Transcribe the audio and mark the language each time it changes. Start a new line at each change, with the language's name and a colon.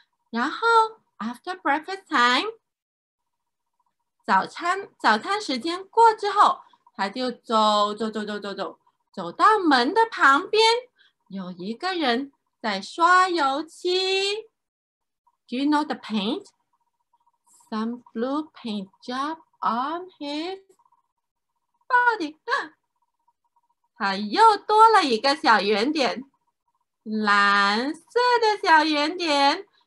Chinese: 然后
English: after breakfast time，
Chinese: 早餐时间过之后，他就走到门的旁边，有一个人在刷油漆。
English: Do you know the paint? Some blue paint job on his body.
Chinese: 他又多了一个小圆点，蓝色的小圆点。